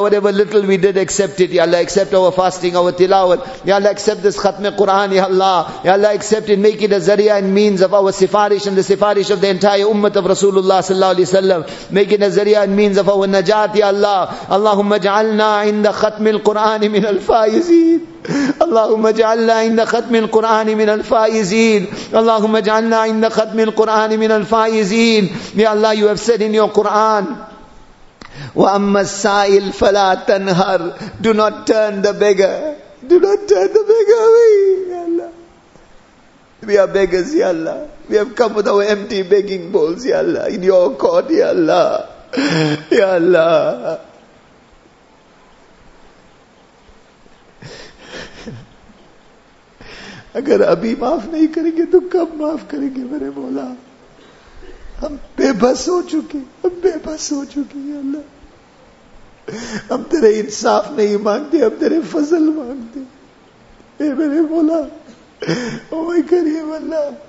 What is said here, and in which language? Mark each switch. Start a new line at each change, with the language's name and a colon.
English: Whatever little we did, accept it, ya Allah. Accept our fasting, our tilawat, ya Allah. Accept this khatme Quran, ya Allah. Ya Allah, accept it, make it a zariya and means of our sifarish and the sifarish of the entire ummat of Rasulullah sallallahu alaihi wasallam. Make it a zariya and means of our najat, ya Allah.
Arabic: Allahumma ja'alna inda khatmil Qur'an min al-faizid. اللهم اجعلنا عند ختم القرآن من الفائزين. اللهم اجعلنا عند ختم القرآن من الفائزين.
English: يا الله, you have said in your Quran,
Arabic: وَأَمَّا السَّائِلْ فَلَا تَنْهَرْ.
English: Do not turn the beggar, do not turn the beggar away, ya Allah. We are beggars, ya Allah. We have come with our empty begging bowls, ya Allah, in your court, ya Allah.
Urdu: Ya Allah, اگر ابھی معاف نہیں کریں گے تو کب معاف کریں گے میرے مولا؟ ہم بے بس ہو چکے ہم بے بس ہو چکے یا اللہ ہم تیرے انصاف نہیں مانگتے ہم تیرے فضل مانگتے اے میرے مولا او مائی کریم اللہ